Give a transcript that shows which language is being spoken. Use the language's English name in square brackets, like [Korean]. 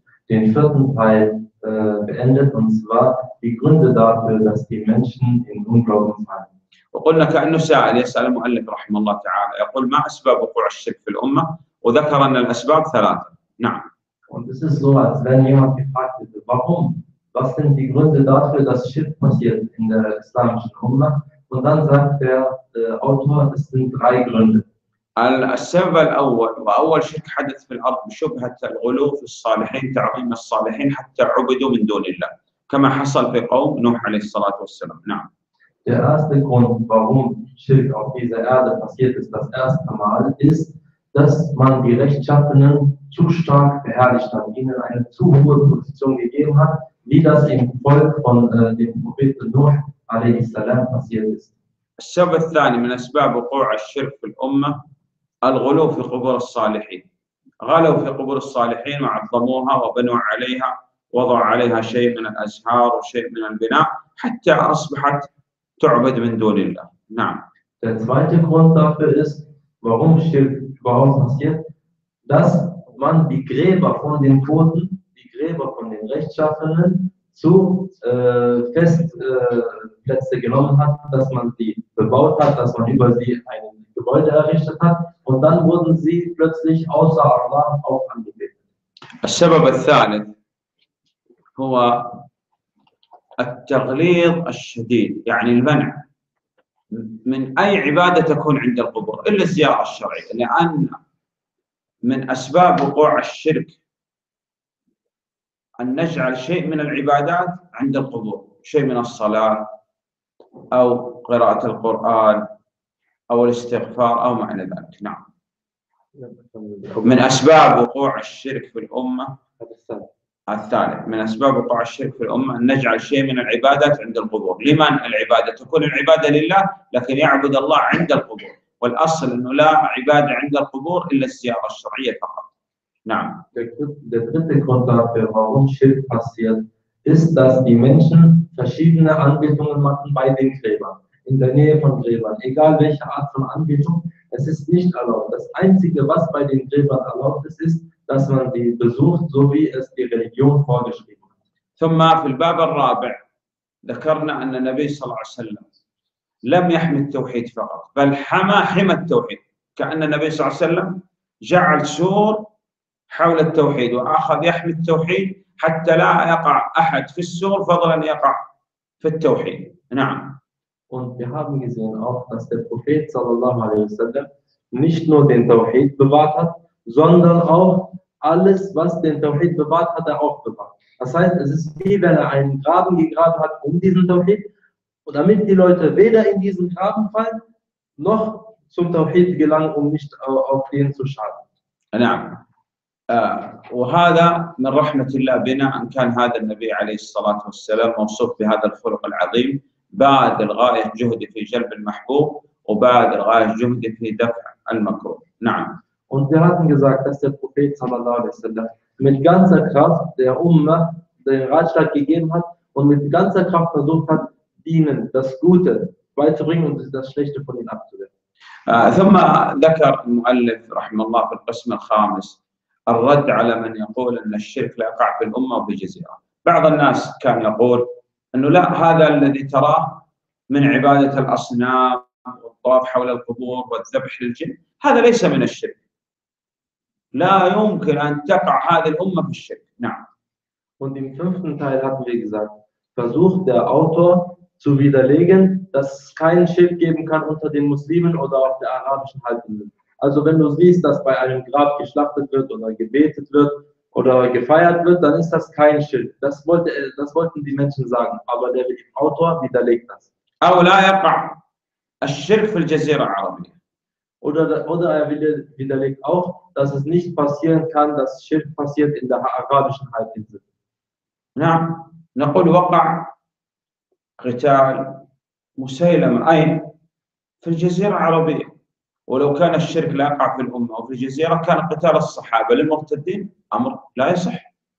[German] Den vierten Teil beendet, und zwar die Gründe dafür, dass die Menschen in Unglauben fallen. [Arabic] وقلنا كأنه سائل يسأل المؤلف رحمه الله تعالى يقول ما أسباب وقوع الشرك في الأمة وذكر أن الأسباب ثلاثة. نعم. [German] Und es ist so, als wenn jemand gefragt hätte, warum? Was sind die Gründe dafür, dass Schirk passiert in der islamischen Umma? Und dann sagt der Autor, es sind drei Gründe. [Arabic] السبب الأول وأول شرك حدث في الأرض بشبهة الغلو في الصالحين، تعظيم الصالحين حتى عبدوا من دون الله كما حصل في قوم نوح عليه الصلاة والسلام. نعم. [German] Der erste Grund, warum Schirk auf dieser Erde passiert ist das erste Mal, ist, dass man die Rechtschaffenen zu stark beherrlicht hat, ihnen eine zu hohe Position gegeben hat, wie das im Volk von dem Propheten Nuh [Arabic] عليه السلام [German] passiert ist. [Arabic] السبب الثاني من أسباب وقوع الشرك في الأمة الغلو في قبور الصالحين. غلوا في قبور الصالحين وعظموها وبنوا عليها، وضعوا عليها شيء من الأزهار وشيء من البناء حتى أصبحت تعبد من دون الله. نعم. Der zweite Grund dafür ist, warum Schirk überhaupt passiert, dass man die Gräber von den Toten, die Gräber von den Rechtschaffenen zu Festplätze genommen hat, dass man sie bebaut hat, dass man über sie ein Gebäude errichtet hat, und dann wurden sie plötzlich außer Allah auch angebetet. السبب الثالث هو التغليظ الشديد، يعني المنع من أي عبادة تكون عند القبور إلا الزيارة الشرعية، لأن من أسباب وقوع الشرك أن نجعل شيء من العبادات عند القبور، شيء من الصلاة أو قراءة القرآن أو الاستغفار أو ما إلى ذلك. نعم. من أسباب وقوع الشرك في الأمة الثالث، من أسباب وقوع الشرك في الأمة أن نجعل شيء من العبادات عند القبور. لمن العبادة؟ تكون العبادة لله، لكن يعبد الله عند القبور، والأصل أنه لا عبادة عند القبور إلا الزيارة الشرعية فقط. [German] Der dritte Grund dafür, warum Schirk passiert, ist, dass die Menschen verschiedene Anbetungen machen bei den Gräbern, in der Nähe von Gräbern, egal welche Art von Anbetung, es ist nicht erlaubt. Das Einzige, was bei den Gräbern erlaubt ist, ist, dass man die besucht, so wie es die Religion vorgeschrieben hat. [Arabic] ثم في الباب الرابع ذكرنا أن النبي صلى الله عليه وسلم لم يحمي التوحيد فقط، بل حمى التوحيد، كأن النبي صلى الله عليه وسلم جعل سور حول التوحيد وأخذ يحمي التوحيد حتى لا يقع أحد في السور فضلا يقع في التوحيد. نعم. [German] Und wir haben gesehen auch, dass der Prophet [Arabic] صلى الله عليه وسلم [German] nicht nur den Tawhid bewahrt hat, sondern auch alles, was den Tawhid bewahrt hat, er auch bewahrt. Das heißt, es ist wie wenn er einen Graben gegraben hat um diesen Tawhid, und damit die Leute weder in diesen Graben fallen noch zum Tawhid gelangen, um nicht auf den zu schaden. نعم. [Arabic] وهذا من رحمة الله بنا أن كان هذا النبي عليه الصلاة والسلام موصوف بهذا الخلق العظيم، باذل غاية جهده في جلب المحبوب وباذل غاية جهده في دفع المكروه. نعم. [German] Und wir hatten gesagt, dass der Prophet [Arabic] صلى الله عليه وسلم [German] mit ganzer Kraft der Umma den Ratschlag gegeben hat und mit ganzer Kraft versucht hat, dienen, das Gute beizubringen und das Schlechte von ihnen abzuwenden. [Arabic] ثم ذكر المؤلف رحمه الله في القسم الخامس الرد على من يقول أن الشرك لا يقع في الأمة وفي الجزيرة. بعض الناس كان يقول أنه لا، هذا الذي تراه من عبادة الأصنام والطواف حول القبور والذبح للجن هذا ليس من الشرك، لا يمكن أن تقع هذه الأمة في الشرك. نعم. [German] Und im fünften Teil hatten wir gesagt, versucht der Autor zu widerlegen, dass es keinen Schirk geben kann unter den Muslimen oder auf der arabischen Halbinsel. Also wenn du siehst, dass bei einem Grab geschlachtet wird oder gebetet wird oder gefeiert wird, dann ist das kein Schirk. Das wollten die Menschen sagen, aber der Autor widerlegt das. [Arabic] أو لا يقع الشرك في الجزيرة العربية. [German] Oder er widerlegt auch, dass es nicht passieren kann, dass Schirk passiert in der arabischen Halbinsel. [Arabic] نعم. نقول وقع قتال مسيلمة أين؟ في الجزيرة العربية. ولو كان الشرك لا يقع في الأمة وفي الجزيرة كان قتال الصحابة للمرتدين أمر لا يصح.